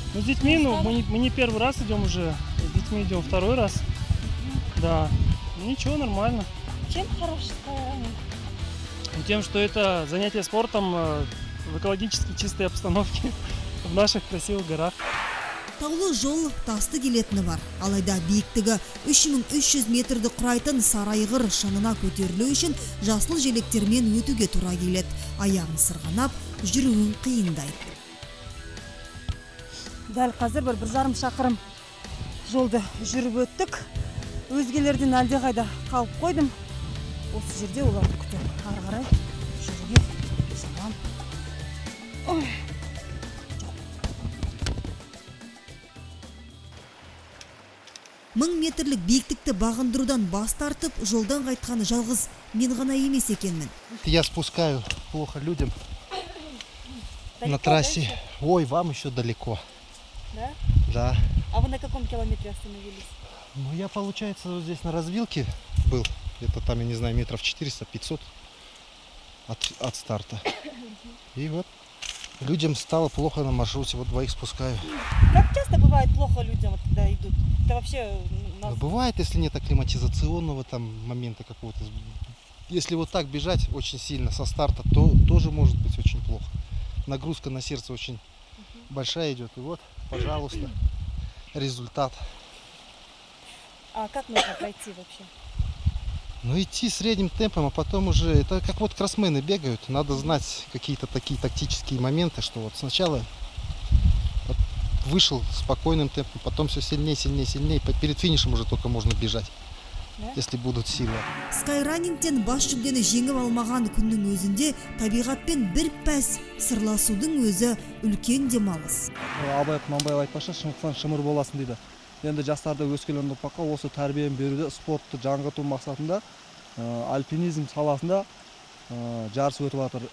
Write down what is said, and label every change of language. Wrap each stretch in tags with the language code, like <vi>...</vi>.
<ru>Ну, с детьми, ну, мы не первый раз идем уже. С детьми идем второй раз. Да. Ну, ничего, нормально. Чем хорош Скайранинг? Тем, что это занятие спортом в экологически чистой обстановке в наших красивых горах.</ru> <kk>Таулы жол тасты келетіні бар. Алайда биіктігі 3300 метрді құрайтын сарайғыр шыңына көтерілу үшін жасыл желектермен өтуге тура келеді. Аяғын сырғанап, жүруін қиындайды. Дәл қазір бір жарым шақырым жолды жүріп өттік. Өзгелерден әлде қайда қалып қойдым. Осы жерде оларды күтіп. Ары қарай жүруге салам. Мың метрлік биіктікті бағындырудан бас тартып, жолдан қайтқаны жалғыз мен ғана емес екенмін.</kk> <ru>Я спускаю плохо людям на трассе. Ой, вам еще далеко. Да? Да. А вы на каком километре остановились? Ну, я, получается, вот здесь на развилке был. Это там, я не знаю, метров 400-500 от старта. И вот людям стало плохо на маршруте, вот двоих спускаю. Как часто бывает плохо людям, когда идут? Это вообще нас... Бывает, если нет акклиматизационного там момента какого-то. Если вот так бежать очень сильно со старта, то тоже может быть очень плохо. Нагрузка на сердце очень большая идет. И вот, пожалуйста, результат. А как нужно пройти вообще? Ну, идти средним темпом, а потом уже... Это как вот кроссмены бегают. Надо знать какие-то такие тактические моменты, что вот сначала вышел спокойным темпом, потом все сильнее, сильнее, сильнее. Перед финишем уже только можно бежать, да? Если будут силы.</ru> <kk>Скайранингтен бас жүлдені жеңіп алмаған күннің өзінде табиғатпен бір пәс сырласудың өзі үлкен демалыс. Абай Құнанбаев айтпаша, шыңқысан шымыр боласын дейді. Енді жастарды өскелең ұрпаққа осы тәрбиені беруде спортты жаңғырту мақсатында альпинизм саласында жарыс өтіп жатыр.</kk>